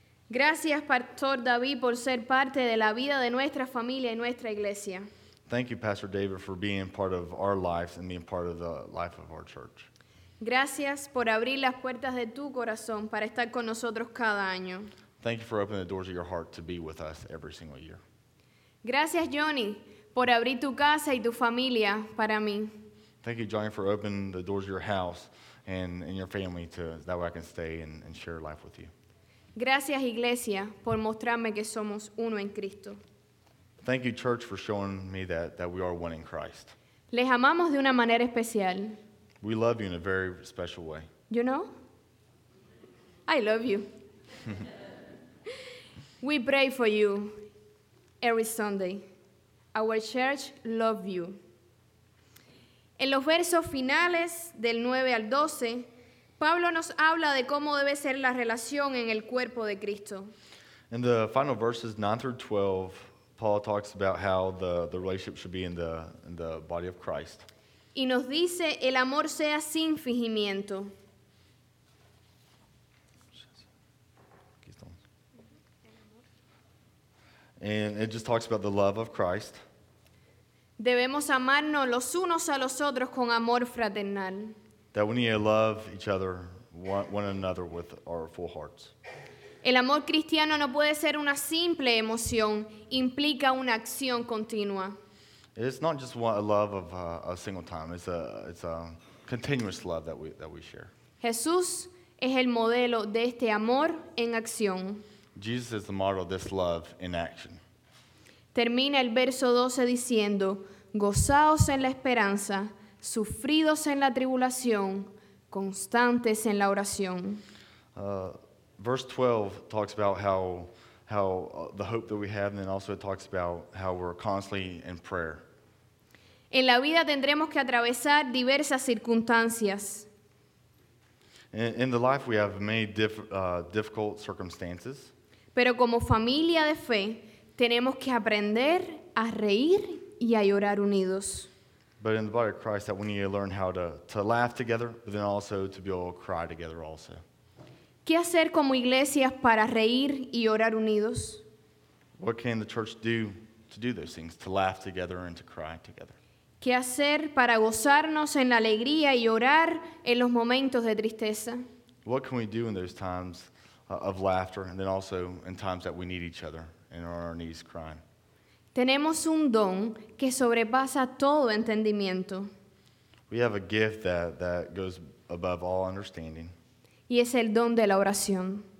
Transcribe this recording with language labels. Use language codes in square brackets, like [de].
[es] Gracias, Pastor David, por ser parte de la vida de nuestra familia y nuestra iglesia. [en] Thank you, Pastor David, for being part of our lives and being part of the life of our church. [es] Gracias por abrir las puertas de tu corazón para estar con nosotros cada año. [en] Thank you for opening the doors of your heart to be with us every single year. [es] Gracias, Johnny, por abrir tu casa y tu familia para mí. [en] Thank you, Johnny, for opening the doors of your house and your family to that way I can stay and share life with you. [es] Gracias, Iglesia, por mostrarme que somos uno en Cristo. [en] Thank you, Church, for showing me that we are one in Christ. [es] Les amamos de una manera especial. [en] We love you in a very special way. You know? I love you. We pray for you every Sunday. Our church loves you. [es] En los versos finales del 9 al 12, Pablo nos habla de cómo debe ser la relación en el cuerpo de Cristo. [en] In the final verses 9 through 12, Paul talks about how the relationship should be in the body of Christ. [es] Y nos dice el amor sea sin fingimiento. [en] And it just talks about the love of Christ. [es] Debemos amarnos los unos a los otros con amor fraternal. [en] That we need to love each other, one another with our full hearts. [es] El amor cristiano no puede ser una simple emoción, implica una acción continua. [en] It's not just a love of a single time, it's a continuous love that we share. [es] Jesús es el modelo de este amor en acción. [en] Jesus is the model of this love in action. [es] Termina el verso 12 diciendo, gozaos en la esperanza, sufridos en la tribulación, constantes en la oración. [en] Verse 12 talks about how the hope that we have, and then also it talks about how we're constantly in prayer. [es] En la vida tendremos que atravesar diversas circunstancias. [en] In the life we have many difficult circumstances. [es] Pero como familia de fe, tenemos que aprender a reír y a llorar unidos. [en] But in the body of Christ, that we need to learn how to laugh together, but then also to be able to cry together also. [es] ¿Qué hacer como iglesias para reír y llorar unidos? [en] What can the church do to do those things, to laugh together and to cry together? [es] ¿Qué hacer para gozarnos en la alegría y llorar en los momentos de tristeza? [en] What can we do in those times of laughter, and then also in times that we need each other and are on our knees crying? [es] Tenemos un don que sobrepasa todo entendimiento. [en] We have a gift that goes above all understanding. [es] Y es el don de la oración.